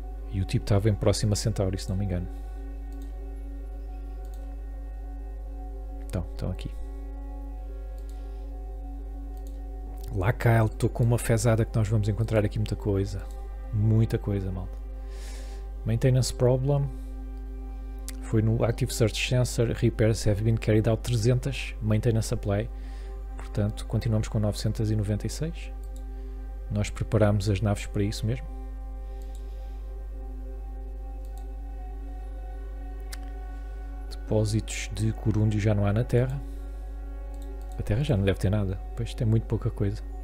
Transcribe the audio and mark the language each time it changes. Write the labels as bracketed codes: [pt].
[pt] E o tipo estava em Próxima Centauri, se não me engano. Então aqui. Lá, Kyle, estou com uma fezada que nós vamos encontrar aqui muita coisa. Muita coisa, malta. Maintenance Problem. [en] Foi no Active Search Sensor, repairs have been carried out 300, maintenance supply. [pt] Portanto, continuamos com 996. Nós preparámos as naves para isso mesmo. Depósitos de corúndio já não há na Terra. A Terra já não deve ter nada, pois tem muito pouca coisa.